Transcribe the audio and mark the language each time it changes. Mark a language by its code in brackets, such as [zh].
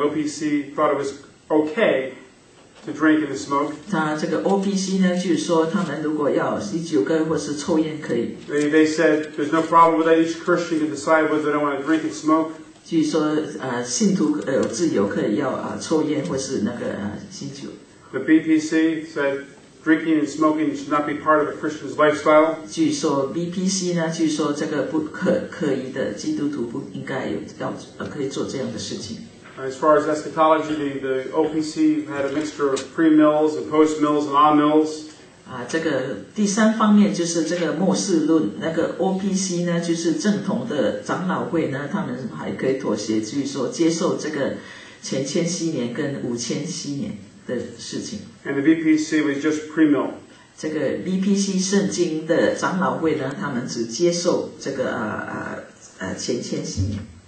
[en] OPC thought it was okay to drink and to smoke. [zh] 他这个 OPC呢， 据说他们如果要吸酒跟或是抽烟可以。 [en] They said there's no problem with that. Each Christian can decide whether they want to drink and smoke. [zh] 据说信徒自由可以要抽烟或是那个吸酒。 [en] The BPC said drinking and smoking should not be part of a Christian's lifestyle. [zh] 据说 BPC呢， 据说这个不可以的基督徒不应该要可以做这样的事情。 [en] As far as eschatology, the OPC had a mixture of pre-mills and post-mills and on-mills. [zh] 这个第三方面就是这个末世论，那个 OPC呢， 就是正统的长老会呢，他们还可以妥协，据说接受这个前千禧年跟五千禧年的事情。 [en] And the BPC was just pre-mill. [zh] 这个 BPC 圣经的长老会呢，他们只接受这个前千禧年。